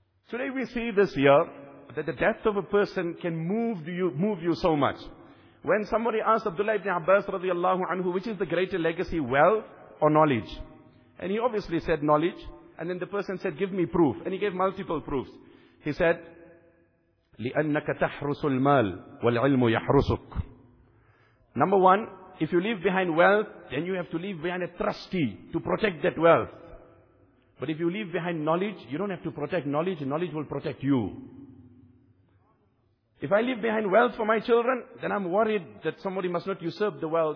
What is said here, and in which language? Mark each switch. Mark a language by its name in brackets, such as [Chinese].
[English] Today we see this year that the death of a person can move you so much. When somebody asked Abdullah ibn Abbas radiallahu anhu, which is the greater legacy, wealth or knowledge? And he obviously said knowledge. And then the person said, give me proof. And he gave multiple proofs. He said, [Arabic] لِأَنَّكَ تَحْرُسُ الْمَالِ وَالْعِلْمُ يَحْرُسُكَ. [English] Number one, if you leave behind wealth, then you have to leave behind a trustee to protect that wealth. But if you leave behind knowledge, you don't have to protect knowledge. Knowledge will protect you. If I leave behind wealth for my children, then I'm worried that somebody must not usurp the wealth.